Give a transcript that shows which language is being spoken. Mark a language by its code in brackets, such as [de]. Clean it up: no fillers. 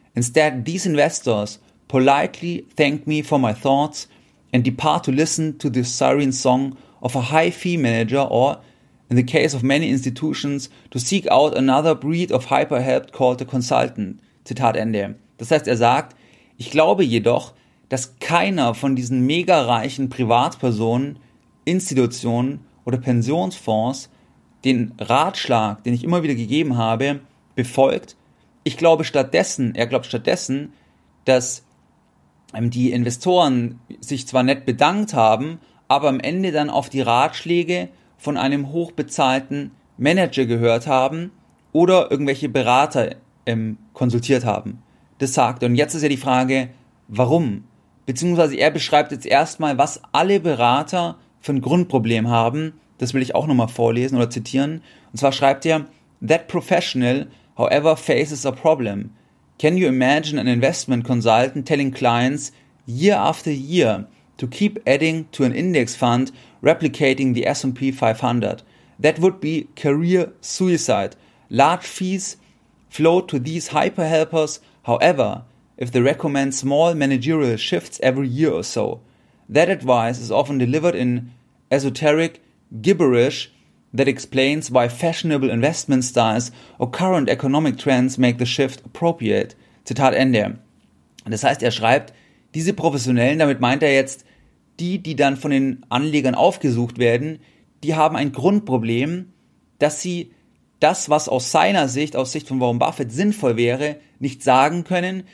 [en] Instead, these investors politely thank me for my thoughts and depart to listen to the siren song of a high fee manager or, in the case of many institutions, to seek out another breed of hyper-helped called a consultant. [de] Zitat Ende. Das heißt, er sagt, ich glaube jedoch, dass keiner von diesen mega reichen Privatpersonen, Institutionen oder Pensionsfonds den Ratschlag, den ich immer wieder gegeben habe, befolgt. Er glaubt stattdessen, dass die Investoren sich zwar nett bedankt haben, aber am Ende dann auf die Ratschläge von einem hochbezahlten Manager gehört haben oder irgendwelche Berater konsultiert haben. Das sagt er. Und jetzt ist ja die Frage, warum? Beziehungsweise er beschreibt jetzt erstmal, was alle Berater für ein Grundproblem haben. Das will ich auch nochmal vorlesen oder zitieren. Und zwar schreibt er, [en] that professional, however, faces a problem. Can you imagine an investment consultant telling clients year after year to keep adding to an index fund replicating the S&P 500? That would be career suicide. Large fees flow to these hyper helpers, however, if they recommend small managerial shifts every year or so. That advice is often delivered in esoteric gibberish that explains why fashionable investment styles or current economic trends make the shift appropriate. [de] Zitat Ende. Das heißt, er schreibt, diese Professionellen, damit meint er jetzt die, die dann von den Anlegern aufgesucht werden, die haben ein Grundproblem, dass sie das, was aus seiner Sicht, aus Sicht von Warren Buffett sinnvoll wäre, nicht sagen können.